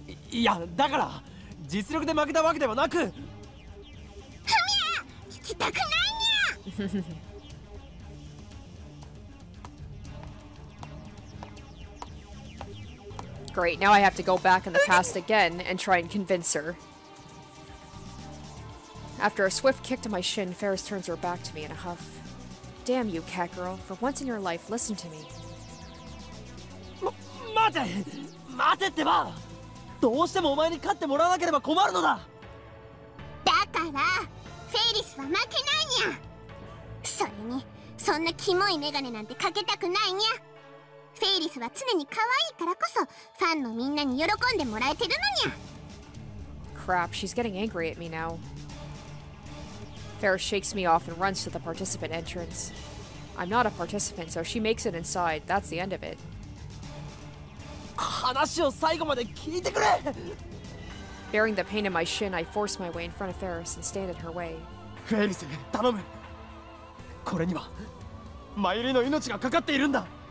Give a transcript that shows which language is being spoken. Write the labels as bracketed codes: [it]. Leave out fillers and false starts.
[ja] いや、だから、実力で負けたわけではなく。ふみや、聞きたくないにゃ。 [en] Great, now I have to go back in the past again and try and convince her. After a swift kick to my shin, Faris turns her back to me in a huff. Damn you, cat girl, for once in your life, listen to me. [ja] Mate! Mate ってば!どうしてもお前に勝ってもらわなければ困るのだ。だから、フェイリスは負けないにゃ。それに、そんなキモいメガネなんてかけたくないにゃ。フェイリスは常に可愛いからこそ、ファンのみんなに喜んでもらえてるのにゃ。 [en] Crap, she's getting angry at me now. Faris shakes me off and runs to the participant entrance. I'm not a participant, so she makes it inside. That's the end of it. [ja] 話を最後まで聞いてくれ! [en] Bearing the pain in my shin, I force my way in front of Faris and stand in her way. [ja] Faris, 頼む! これには、マユリの命がかかっているんだ!